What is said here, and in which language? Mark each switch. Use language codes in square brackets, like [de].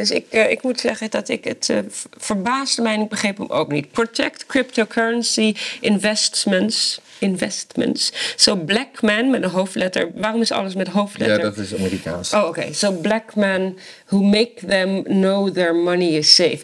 [nl] Ik moet zeggen dat ik het verbaasde mij en ik begreep hem ook niet. [en] Protect cryptocurrency investments. So black man, [nl] met een hoofdletter. Waarom is alles met hoofdletter? Ja, dat is Amerikaans. Oh, oké. [en] So black man who make them know their money is safe.